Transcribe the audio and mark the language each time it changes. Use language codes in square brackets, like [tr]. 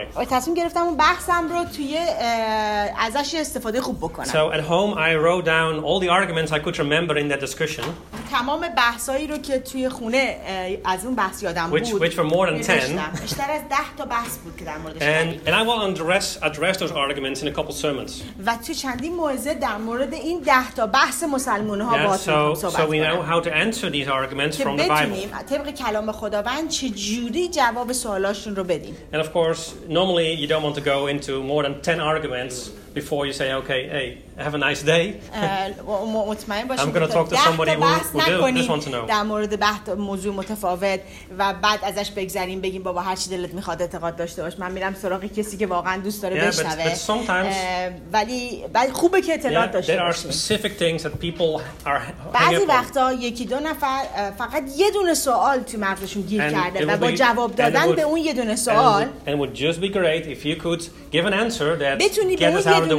[fa] تصمیم گرفتم اون بحثم رو توی ازش استفاده خوب بکنم. [en] So at home I wrote down all the arguments I could remember in that discussion. [fa] تمام بحثایی رو که توی خونه از اون بحث یادم بود. [en] Which were more than 10. [fa] بیشتر از 10 تا بحث بود که در موردش. [en] And I will address those arguments in a couple sermons. [fa] و تو چندین موعظه در مورد این 10 تا بحث مسلمان ها باهاتون صحبت کنم. [en] So we know how to answer these arguments from the Bible. [fa] طبق کلام خداوند چه جوری جواب سوالاشون رو بدیم. [en] And of course, normally you don't want to go into more than 10 arguments before you say, okay, hey, have a nice day. I'm going to talk to somebody who just wants to know. [fa] در مورد بحث موضوع متفاوت و بعد ازش بگذریم، بگیم بابا هر چی دلت میخواد اعتقاد داشته باش، من میرم سراغ کسی که واقعا دوست داره بشنوه. ولی خوبه که اطلاع داشته باشیم. [en] There are specific things that people are [fa] بعضی وقتا یکی دو نفر فقط یه دونه سوال تو مغزشون گیر کرده و با جواب دادن به اون یه دونه سوال. [en] And it would just be great if you could give an answer that